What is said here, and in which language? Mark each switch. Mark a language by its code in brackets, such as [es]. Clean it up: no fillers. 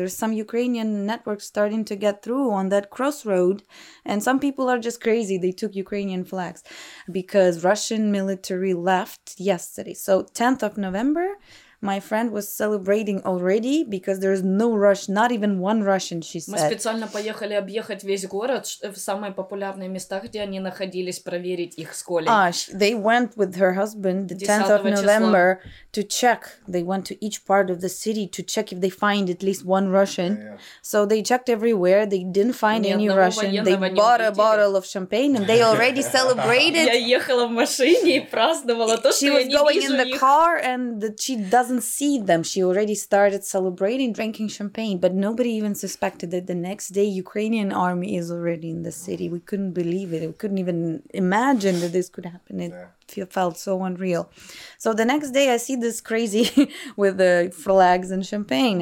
[en] There's some Ukrainian network starting to get through on that crossroad. And some people are just crazy. They took Ukrainian flags because Russian military left yesterday. So 10th of November, my friend was celebrating already because there's no rush, not even one Russian, she said. [ru] Мы специально поехали объехать весь город в самые популярные места, где они находились, проверить их с Колей. [en] They went with her husband the 10th of November to check. They went to each part of the city to check if they find at least one Russian. So they checked everywhere. They didn't find any Russian. They bought a bottle of champagne and they already celebrated. [ru] Я ехала в машине и праздновала то, что я не вижу их. [en] She was going in the car and she doesn't see them. She already started celebrating, drinking champagne, but nobody even suspected that the next day Ukrainian army is already in the city. We couldn't believe it. We couldn't even imagine that this could happen. It felt so unreal. So the next day I see this crazy with the flags and champagne.